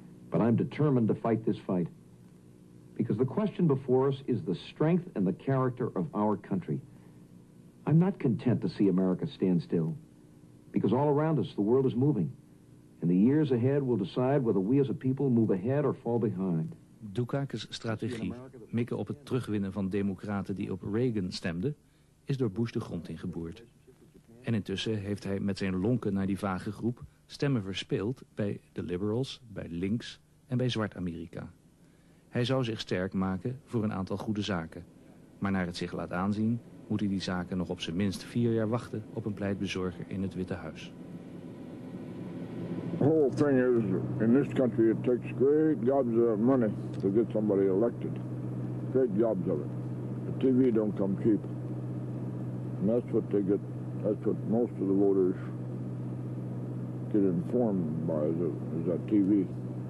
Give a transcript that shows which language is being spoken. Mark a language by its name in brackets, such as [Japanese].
[English] But I'm determined to fight this fight. Because the question before us is the strength and the character of our country. I'm not content to see America stand still. Because all around us, the world is moving. And the years ahead will decide whether we as a people move ahead or fall behind. [Dutch] Dukakis' strategie, mikken op het terugwinnen van democraten die op Reagan stemden, is door Bush de grond ingeboord. En intussen heeft hij met zijn lonken naar die vage groep stemmen verspeeld bij de liberals, bij links en bij Zwart-Amerika. Hij zou zich sterk maken voor een aantal goede zaken. Maar naar het zich laat aanzien, moet hij die zaken nog op zijn minst 4 jaar wachten op een pleitbezorger in het Witte Huis. [English] The whole thing is, in this country it takes great jobs of money to get somebody elected. Great jobs of it. The TV don't come cheap. And that's what they get. That's what most of the voters get informed by, is that TV.